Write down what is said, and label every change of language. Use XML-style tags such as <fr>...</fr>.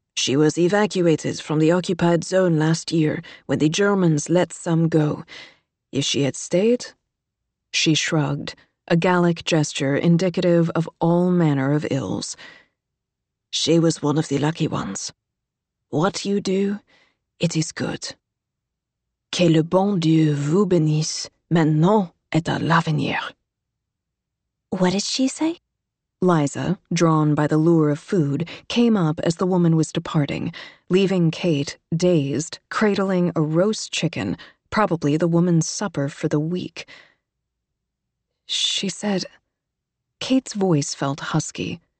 <en>She was evacuated from the occupied zone last year when the Germans let some go. If she had stayed... She shrugged, a Gallic gesture indicative of all manner of ills. She was one of the lucky ones. What you do, it is good.</en> <fr>Que le bon Dieu vous bénisse, maintenant et à l'avenir.</fr> <en>What did she say? Liza, drawn by the lure of food, came up as the woman was departing, leaving Kate, dazed, cradling a roast chicken, probably the woman's supper for the week. She said, Kate's voice felt husky.</en>